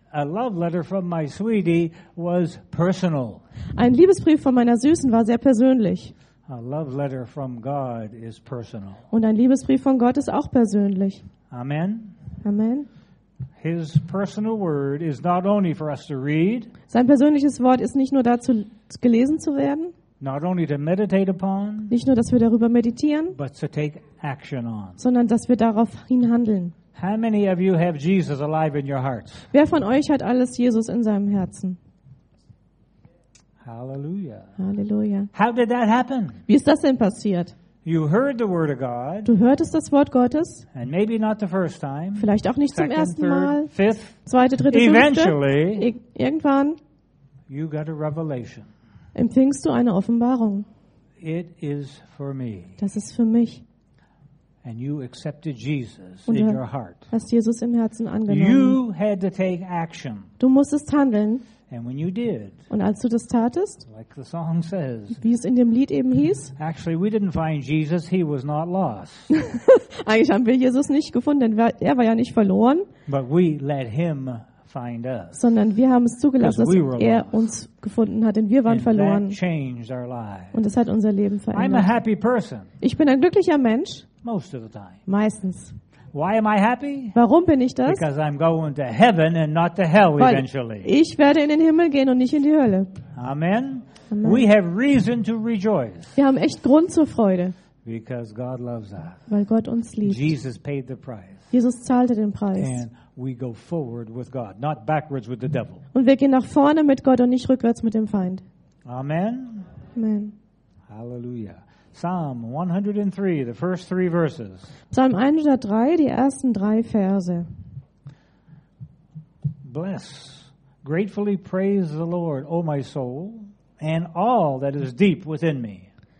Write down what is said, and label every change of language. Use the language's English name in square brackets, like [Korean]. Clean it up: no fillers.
[English] A love letter from my sweetie was personal. [German] Ein Liebesbrief von meiner Süßen war sehr persönlich. [English] A love letter from God is personal. [German] Und ein Liebesbrief von Gott ist auch persönlich. [English] Amen. [German] Amen. [English] His personal word is not only for us to read. [German] Sein persönliches Wort ist nicht nur dazu gelesen zu werden. [English] Not only to meditate upon. [German] Nicht nur, dass wir darüber meditieren. [English] But to take action on. [German] Sondern dass wir darauf hin handeln. [English] How many of you have Jesus alive in your hearts? [German] Wer von euch hat alles Jesus in seinem Herzen? [English] Hallelujah. [German] Hallelujah. [English] How did that happen? [German] Wie ist das denn passiert? [English] You heard the word of God. [German] Du hörtest das Wort Gottes. [English] And maybe not the first time. [German] Vielleicht auch nicht [English] second, [German] zum ersten [English] third, [German] Mal. [English] Fifth, [German] zweite, dritte, [English] eventually, [German] fünfte. Irgendwann. [English] You got a revelation. [German] Empfingst du eine Offenbarung? [English] It is for me. [German] Das ist für mich. [English] And you accepted Jesus in your heart. [German] Hast Jesus im Herzen angenommen. [English] You had to take action. [German] Du musstest handeln. [English] And when you did, [German] und als du das tatest, [English] like the song says, [German] wie es in dem Lied eben hieß, [English] actually we didn't find Jesus, he was not lost. [German] Eigentlich haben wir Jesus nicht gefunden, denn er war ja nicht verloren. [English] But we let him find us, [German] sondern wir haben es zugelassen, dass er uns gefunden hat, denn wir waren [English] and [German] verloren. [English] That changed our lives. [German] Und es hat unser Leben verändert. [English] I'm a happy person. [German] Ich bin ein glücklicher Mensch. [English] Most of the time. [German] Meistens. [English] Why am I happy? [German] Warum bin ich das? [English] Because I'm going to heaven and not to hell eventually. [German] Weil ich werde in den Himmel gehen und nicht in die Hölle. [English] Amen. Amen. We have reason to rejoice. [German] Wir haben echt Grund zur Freude. [English] Because God loves us. [German] Weil Gott uns liebt. [English] Jesus paid the price. [German] Jesus zahlte den Preis. [English] And we go forward with God, not backwards with the devil. [German] Und wir gehen nach vorne mit Gott und nicht rückwärts mit dem Feind. [English] Amen. [German] Amen. [English] Hallelujah. Psalm 103, the first three verses. [German] Psalm 103, die ersten drei Verse. [English] Bless, gratefully praise the Lord, O my soul, and all that is deep within me.